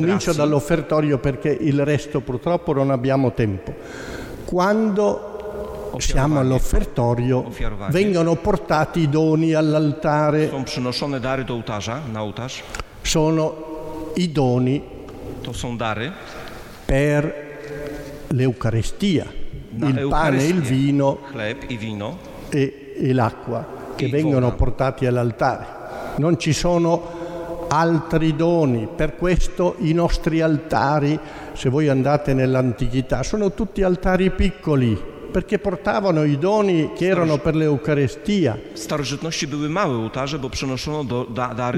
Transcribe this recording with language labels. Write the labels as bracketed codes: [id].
[it] Comincio dall'offertorio perché il resto purtroppo non abbiamo tempo. Quando siamo all'offertorio vengono portati i doni all'altare. [pl] Są przynoszone dary do ołtarza, na ołtarz. [it] Sono i doni. [pl] To są dary. [it] Per l'Eucaristia. Il pane e il vino. [pl] Chleb i wino. [it] E l'acqua che vengono portati all'altare. Non ci sono altri doni, per questo i nostri altari, se voi andate nell'antichità, sono tutti altari piccoli, perché portavano i doni che erano per l'Eucaristia. [pl] W starożytności były małe ołtarze, bo przynoszono dary.